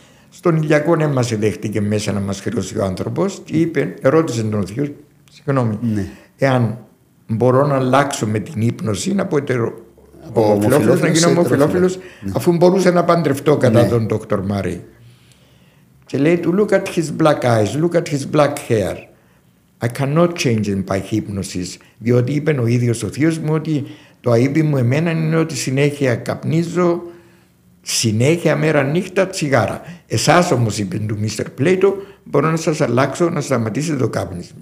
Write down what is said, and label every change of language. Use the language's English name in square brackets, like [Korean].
[Greek] Στον ηλιακό ναι, μας δέχτηκε μέσα να μας χρεώσει ο άνθρωπος και είπε, ρώτησε τον Θεό, συγγνώμη, εάν μπορώ να αλλάξω με την ύπνωση, να πω ομοφιλόφιλος, να γίνω ομοφιλόφιλος, αφού μπορούσε να παντρευτώ κατά τον Dr. Murray. Και λέει του, [English] look at his black eyes, look at his black hair. I cannot change him by hypnosis, [Greek] διότι είπε ο ίδιος ο Θεός μου ότι το αείπι μου εμένα είναι ότι συνέχεια καπνίζω, συνέχεια μέρα νύχτα τσιγάρα. Εσάς όμως, είπε του Μίστερ Πλέιτο, μπορώ να σας αλλάξω να σταματήσετε το κάπνισμα.